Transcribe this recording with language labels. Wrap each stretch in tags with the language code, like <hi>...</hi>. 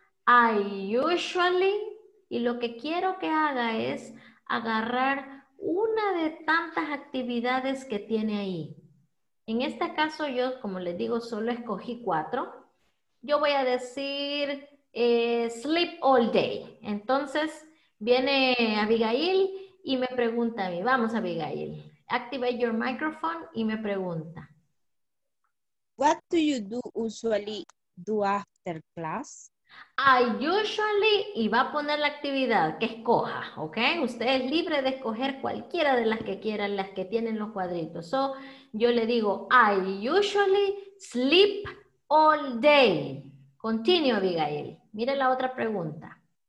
<en>I usually,</en> <es>y lo que quiero que haga es agarrar una de tantas actividades que tiene ahí. En este caso yo, como les digo, solo escogí cuatro. Yo voy a decir</es> <en>sleep all day.</en> <es>Entonces viene Abigail y me pregunta a mí. Vamos, Abigail.</es> <en>Activate your microphone</en> <es>y me pregunta.</es> <en>What do you do usually do after class? I usually,</en> <es>y va a poner la actividad que escoja, ¿ok? Usted es libre de escoger cualquiera de las que quieran, las que tienen los cuadritos.</es> <en>So,</en> <es>yo le digo,</es> <en>I usually sleep all day.</en> <es>Continúe, Abigail. Mire la otra pregunta.</es>